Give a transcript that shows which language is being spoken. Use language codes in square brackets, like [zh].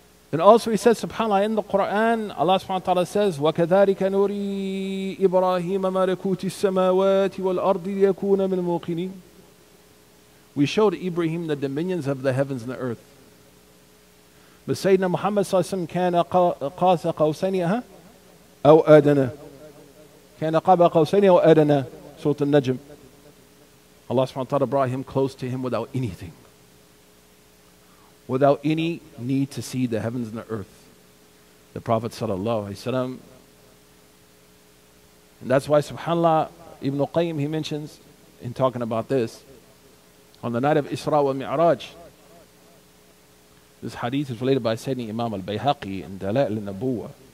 [en] And also he said, SubhanAllah, in the Quran, Allah subhanahu wa ta'ala says, [ar] وَكَذَٰلِكَ نُرِي إِبْرَاهِيمَ مَلَكُوتِ السَّمَاوَاتِ وَالْأَرْضِ لِيَكُونَ مِنْ الْمُوقِنِينَ. [en] We showed Ibrahim the dominions of the heavens and the earth. But Sayyidina Muhammad sallallahu alayhi wa sallam [ar] كان قاس قوسين, أو أدنى كان قاب قوسين أو أدنى سورة النجم. [en] Allah subhanahu wa ta'ala brought him close to him without anything, without any need to see the heavens and the earth. The Prophet sallallahu alayhi wa sallam, and that's why subhanAllah Ibn Qayyim, he mentions in talking about this, on the night of Isra wa Mi'raj, this hadith is related by Sayyidina Imam al-Bayhaqi in Dalail al-Nabuwah.